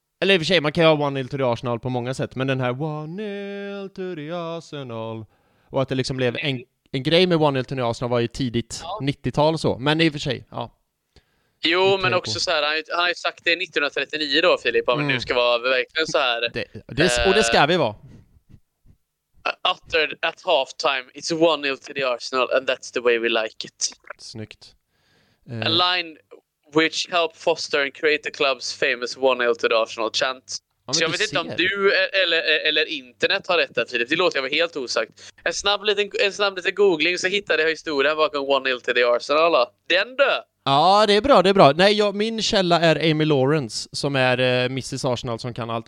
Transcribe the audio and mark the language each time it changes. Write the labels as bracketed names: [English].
[Swedish] Eller i och för sig, man kan ju ha 1-0 to the Arsenal på många sätt, men den här 1-0 to the Arsenal... Och att det liksom blev en grej med 1-0 to the Arsenal var ju tidigt 90-tal och så. Men i och för sig, ja. Jo, men också så här, han har ju sagt det 1939 då, Filip. Men nu ska vara verkligen så här. Och det ska vi vara. [English] Uttered at halftime, it's 1-0 to the Arsenal and that's the way we like it. [Swedish] Snyggt. [English] A line which helped foster and create the club's famous 1-0 to the Arsenal chant. [Swedish] Ja, så jag vet inte om du eller internet har rätt där, Filip. Det låter jag vara helt osagt. En snabb liten googling så hittade jag historien bakom 1-0 till the Arsenal. Den dö! Ja, det är bra. Nej, min källa är Amy Lawrence som är Mrs. Arsenal som kan allt.